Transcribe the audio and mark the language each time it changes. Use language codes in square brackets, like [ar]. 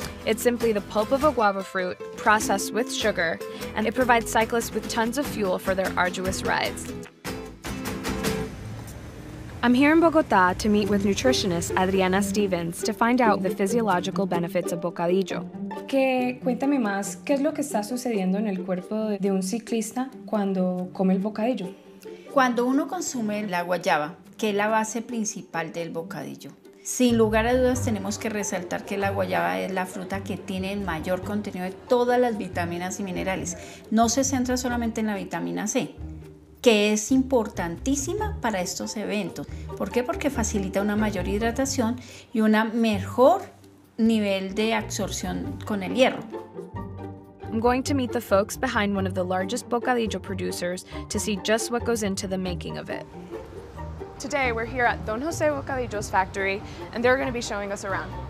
[en] It's simply the pulp of a guava fruit, processed with sugar, and it provides cyclists with tons of fuel for their arduous rides. I'm here in Bogota to meet with nutritionist Adriana Stevens to find out the physiological benefits of bocadillo. [es] Que cuéntame más, ¿qué es lo que está sucediendo en el cuerpo de un ciclista cuando come el bocadillo? Cuando uno consume la guayaba, que es la base principal del bocadillo, sin lugar a dudas tenemos que resaltar que la guayaba es la fruta que tiene el mayor contenido de todas las vitaminas y minerales. No se centra solamente en la vitamina C, que es importantísima para estos eventos. ¿Por qué? Porque facilita una mayor hidratación y una mejor nivel de absorción con el hierro. [en] I'm going to meet the folks behind one of the largest bocadillo producers to see just what goes into the making of it. Today, we're here at Don Jose Bocadillo's factory, and they're going to be showing us around.